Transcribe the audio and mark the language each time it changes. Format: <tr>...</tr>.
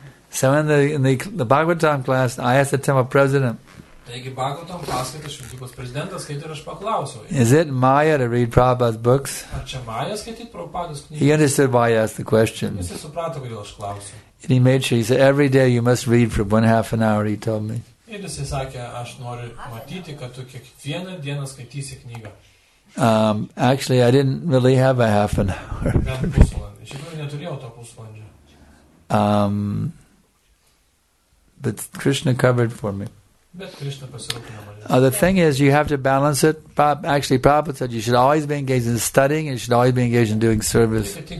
<en>So in the Bhagavatam class, I asked the temple president, is it Maya to read Prabhupada's books? He understood why I asked the question. And he made sure, he said, every day you must read for 1/2 an hour, he told me.</en> <lt>Ir jis sakė, aš noriu matyti, kad tu kiekvieną dieną skaitysi knygą.</lt> <en>Actually, I didn't really have a half an hour.</en> <lt>Iš tikrųjų neturėjau to pusvalandžio.</lt> <en>But Krishna covered for me.</en> <lt>Bet Krishna pasirūpino mane.</lt> <en>The thing is, you have to balance it. Actually, Prabhupada said you should always be engaged in studying, and you should always be engaged in doing service.</en>